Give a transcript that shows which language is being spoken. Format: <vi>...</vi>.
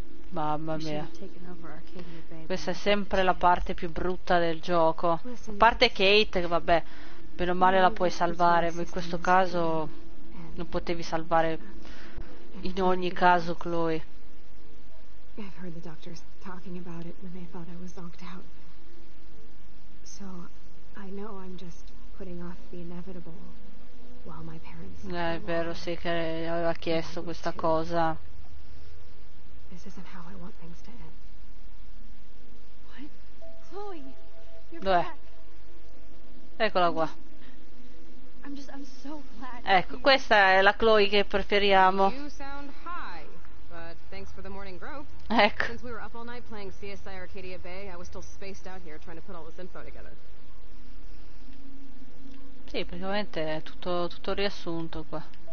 <it>Mamma mia. Questa è sempre la parte più brutta del gioco. A parte Kate, che vabbè, meno male la puoi salvare, ma in questo caso non potevi salvare in ogni caso Chloe.</it> <en>I've heard the doctors talking about it when they thought I was knocked out. So I know I'm just putting off the inevitable while my parents.</en> <it>È vero, sì, che aveva chiesto questa cosa.</it> <en>This isn't how I want things to end. What? Chloe, you're back.</en> <it>Eccola qua.</it> <en>I'm so glad.</en> <it>Ecco, questa è la Chloe che preferiamo.</it> <en>You sound high, but thanks for the morning grove.</en> <it>Ecco.</it> <en>Since we were up all night playing CSI Arcadia Bay, I was still spaced out here trying to put all this info together.</en> <it>Sì, praticamente è tutto riassunto qua.</it>